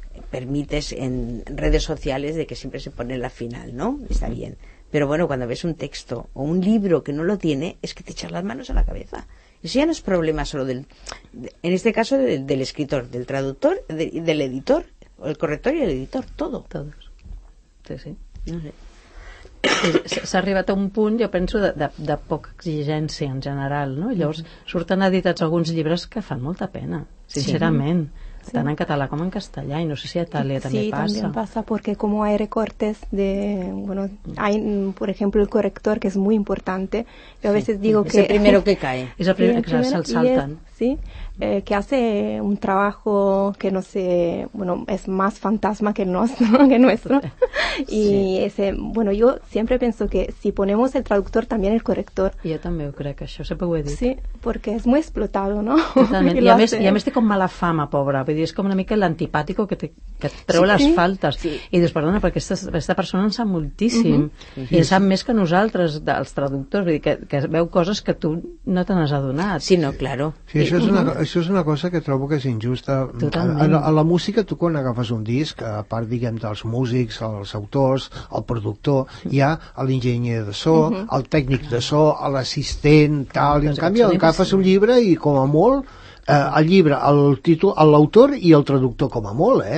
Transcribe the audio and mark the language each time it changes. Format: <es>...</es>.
<es>permites en redes sociales de que siempre se pone la final, ¿no? Está bien. Pero bueno, cuando ves un texto o un libro que no lo tiene, es que te echas las manos a la cabeza. Eso ya no es problema solo del, en este caso, del escritor, del traductor, del editor, el corrector y el editor, todo. Todos. Sí, sí. No sé.</es> <ca>S'ha arribat a un punt, jo penso, de poca exigència en general, no? Llavors surten editats alguns llibres que fan molta pena, sincerament, sí. Tant en català com en castellà, i no sé si a Itàlia també passa. Sí, també passa, perquè com hi ha</ca> <es>recortes de, bueno, hay, por ejemplo, el corrector, que és muy importante, yo a veces digo que... És el primero que cae.</es> <ca>És el primer, que se'l salten.</ca> <es>Sí, que hace un trabajo que no sé, bueno, es más fantasma que el nuestro, ¿no? Que nuestro. Y sí. Ese, bueno, yo siempre pienso que si ponemos el traductor, también el corrector. Yo también creo que eso se puede decir. Sí, porque es muy explotado, ¿no? Totalmente. Y a mí estoy con mala fama, pobre.</es> <ca>Vull dir,</ca> <es>es como una mica el antipático que te trae las faltas. Y dices, perdona, porque esta persona en sabe muchísimo. Y en sabe más que nosotros, los traductores.</es> <ca>Vull dir, que veu</ca> <es>cosas que tú no te has</es> <ca>adonat.</ca> <es>Sí, no, claro.</es> <ca>Sí, això és una cosa que trobo que és injusta. A la música, tu quan agafes un disc, a part, diguem, dels músics, els autors, el productor, hi ha l'enginyer de so, el tècnic de so, l'assistent, tal, i en canvi agafes un llibre i, com a molt, el llibre, el títol, l'autor i el traductor, com a molt,</ca>